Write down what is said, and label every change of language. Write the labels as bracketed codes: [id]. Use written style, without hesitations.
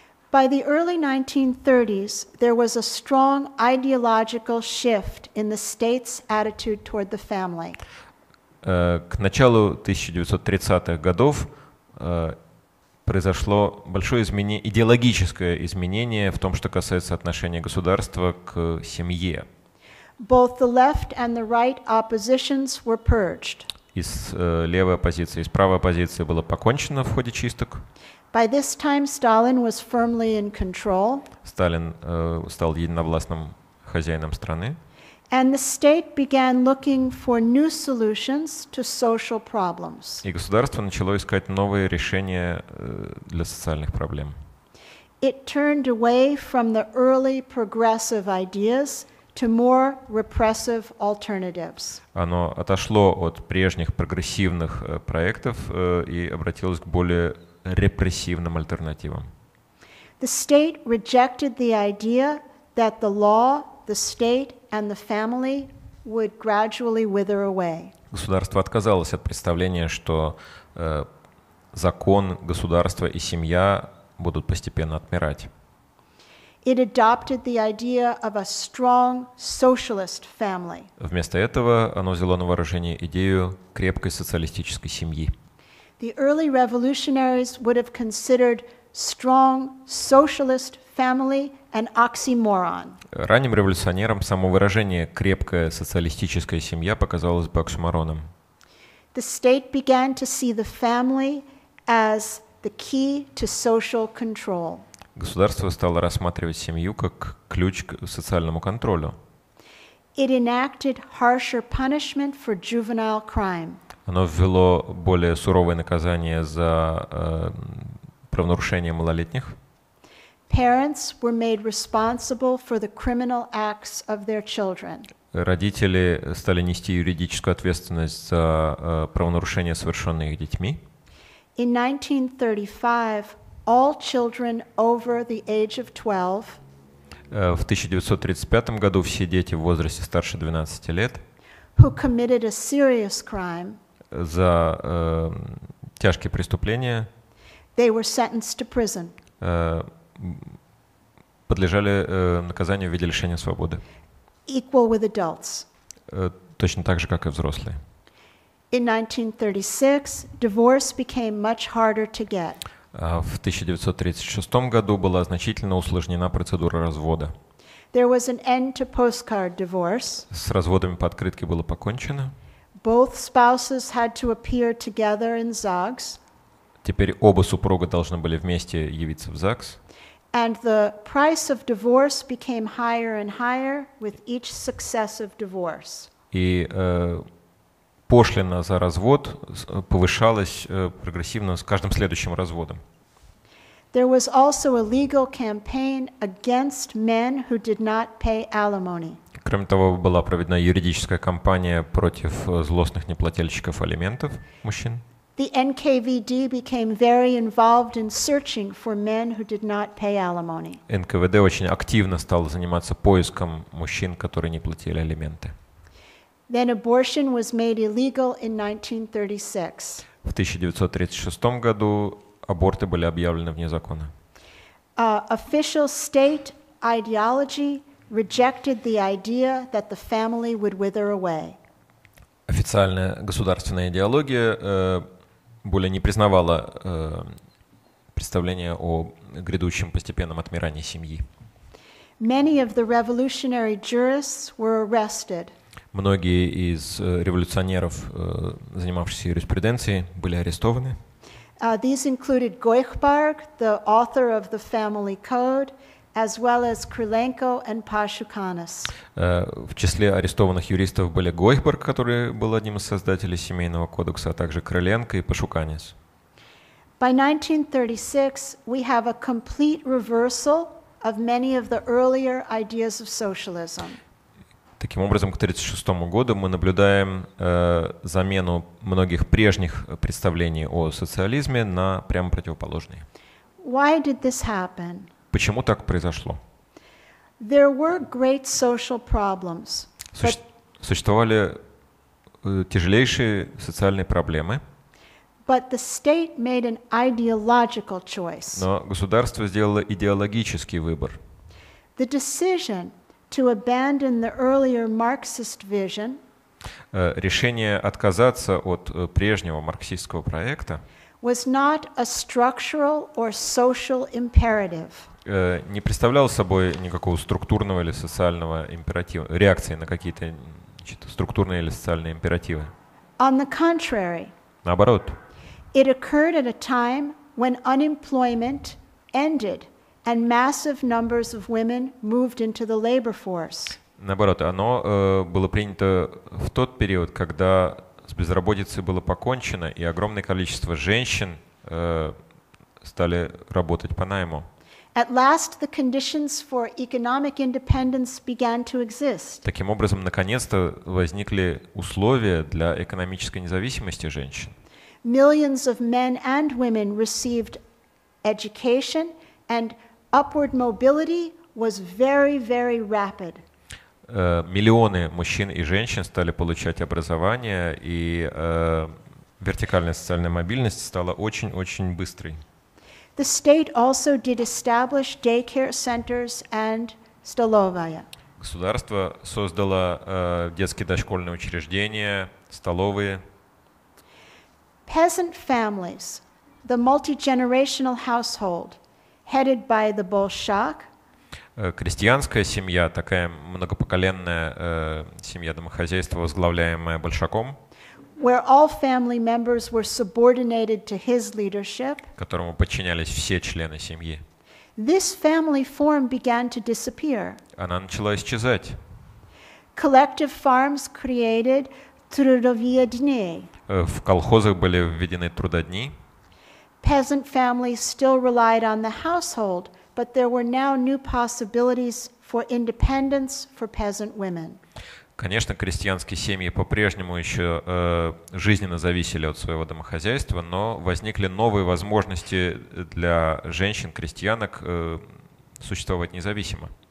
[en] By the early 1930s, there was a strong ideological shift in the state's attitude toward the family. [ru] К началу 1930-х годов произошло большое идеологическое изменение в том, что касается отношения государства к семье. [en] Both the left and the right oppositions were purged. [ru] Из левой оппозиции, из правой оппозиции было покончено в ходе чисток. [en] By this time, Stalin was firmly in control. [ru] Сталин стал единовластным хозяином страны. [en] And the state began looking for new solutions to social problems. [ru] И государство начало искать новые решения для социальных проблем. [en] It turned away from the early progressive ideas to more repressive alternatives. [ru] Оно отошло от прежних прогрессивных проектов и обратилось к более репрессивным альтернативам. [en] The state rejected the idea that the law, the state, and the family would gradually wither away. [ru] Государство отказалось от представления, что закон, государство и семья будут постепенно отмирать. [en] It adopted the idea of a strong socialist family. [ru] Вместо этого оно взяло на вооружение идею крепкой социалистической семьи. [en] The early revolutionaries would have considered strong socialist family an oxymoron. [ru] Ранним революционерам само выражение «крепкая социалистическая семья» показалось бы оксюмороном. [en] The state began to see the family as the key to social control. [ru] Государство стало рассматривать семью как ключ к социальному контролю. [en] It enacted harsher punishment for juvenile crime. [ru] Оно ввело более суровые наказания за правонарушения малолетних. [en] Parents were made responsible for the criminal acts of their children. [ru] Родители стали нести юридическую ответственность за правонарушения, совершенные их детьми. [en] In 1935, all children over the age of 12. [ru] В 1935 году все дети в возрасте старше 12 лет, [en] who committed a serious crime, [ru] за тяжкие преступления, [en] they were sentenced to prison. [ru] Подлежали наказанию в виде лишения свободы. [en] Equal with adults. [ru] Точно так же, как и взрослые. [en] In 1936, divorce became much harder to get. [ru] В 1936 году была значительно усложнена процедура развода. [en] There was an end to postcard divorce. [ru] С разводами по открытке было покончено. [en] Both spouses had to appear together in ЗАГС. [ru] Теперь оба супруга должны были вместе явиться в ЗАГС. [en] And the price of divorce became higher and higher with each successive divorce. [ru] И пошлина за развод повышалась прогрессивно с каждым следующим разводом. [en] There was also a legal campaign against men who did not pay alimony. [ru] Кроме того, была проведена юридическая кампания против злостных неплательщиков алиментов мужчин. [en] the NKVD became very involved in searching for men who did not pay alimony. [ru] НКВД очень активно стало заниматься поиском мужчин, которые не платили алименты. [en] Then abortion was made illegal in 1936. [ru] В 1936 году аборты были объявлены вне закона. [en] Official state ideology rejected the idea that the family would wither away. [ru] Официальная государственная идеология более не признавала представление о грядущем постепенном отмирании семьи. [en] Many of the revolutionary jurists were arrested. [ru] Многие из революционеров, занимавшихся юриспруденцией, были арестованы. [en] These included Goichberg, the author of the Family Code, as well as Krylenko and Pashukanis. [ru] В числе арестованных юристов были Гойхберг, который был одним из создателей Семейного кодекса, а также Крыленко и Пашуканис. [en] By 1936, we have a complete reversal of many of the earlier ideas of socialism. [ru] Таким образом, к 1936 году мы наблюдаем замену многих прежних представлений о социализме на прямо противоположные. [en] Why did this happen? [ru] Почему так произошло? [en] There were great social problems, [ru] существовали тяжелейшие социальные проблемы, [en] but the state made an ideological choice. [ru] Но государство сделало идеологический выбор. [en] The decision to abandon the earlier Marxist vision, [ru] решение отказаться от прежнего марксистского проекта, [en] was not a structural or social imperative. [ru] Не представлял собой никакого структурного или социального императива, реакции на какие-то структурные или социальные императивы. [en] On the contrary, [ru] наоборот, [en] it occurred at a time when unemployment ended and massive numbers of women moved into the labor force. [ru] Наоборот, оно было принято в тот период, когда с безработицей было покончено и огромное количество женщин стали работать по найму. [en] At last, the conditions for economic independence began to exist. [ru] Таким образом, наконец-то возникли условия для экономической независимости женщин. [en] Millions of men and women received education, and upward mobility was very, very rapid. [ru] Миллионы мужчин и женщин стали получать образование, и вертикальная социальная мобильность стала очень-очень быстрой. [en] The state also did establish daycare centers and столовая. [ru] Государство создало детские дошкольные учреждения, столовые. [en] Peasant families, the multi-generational household, headed by the Bolshak. [ru] Крестьянская семья, такая многопоколенная семья домохозяйства, возглавляемая Большаком. [en] Where all family members were subordinated to his leadership. [ru] Которому подчинялись все члены семьи. [en] This family form began to disappear. [ru] Она начала исчезать. [en] Collective farms created трудовые дни. [ru] В колхозах были введены трудодни. [en] Peasant families still relied on the household, but there were now new possibilities for independence for peasant women. [ru] Конечно, крестьянские семьи по-прежнему еще жизненно зависели от своего домохозяйства, но возникли новые возможности для женщин-крестьянок существовать независимо.